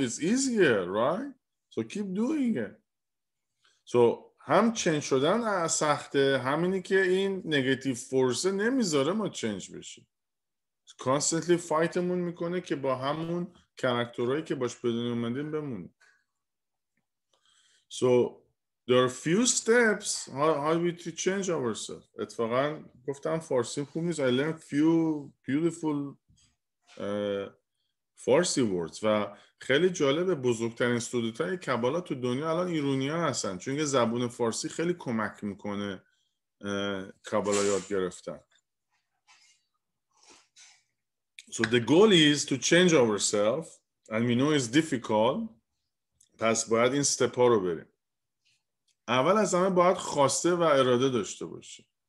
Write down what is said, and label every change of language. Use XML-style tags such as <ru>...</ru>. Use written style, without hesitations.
<en>It's easier, right? So keep doing it.</en> <fa>So هم چنج شدن سخته، همینی که این نگتیف فورسه نمیذاره ما چنج بشیم. کانستنتلی فایتمون میکنه که با همون کاراکترهایی که باش بدون اومدیم بمونیم.</fa> <en>So there are few steps how we change ourselves.</en> <fa>اتفاقا گفتم فارسی خوب نیست.</fa> <en>I learned few beautiful Farsi words.</en> <fa>و خیلی جالبه بزرگترین استودیوهای کبالا تو دنیا الان ایرانی ها هستن. چون که زبون فارسی خیلی کمک میکنه کبالا یاد گرفتن.</fa> <en>So the goal is to change ourselves, and we know it's difficult.</en> <fa>پس باید این استپا رو بریم. اول از همه باید خواسته و اراده داشته باشی.</fa>